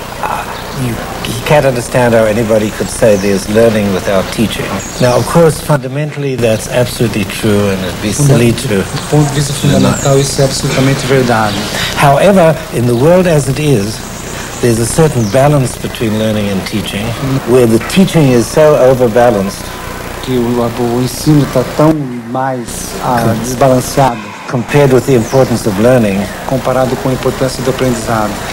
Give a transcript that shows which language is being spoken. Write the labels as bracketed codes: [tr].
[en] He can't understand how anybody could say there's learning without teaching. Now, of course, fundamentally, that's absolutely true, and it'd be silly to... [pt] Do ponto de vista fundamental, isso é absolutamente verdade. [en] However, in the world as it is, there's a certain balance between learning and teaching, where the teaching is so overbalanced... [pt] Que o ensino está tão mais desbalanceado... [en] Compared with the importance of learning... [pt] Comparado com a importância do aprendizado...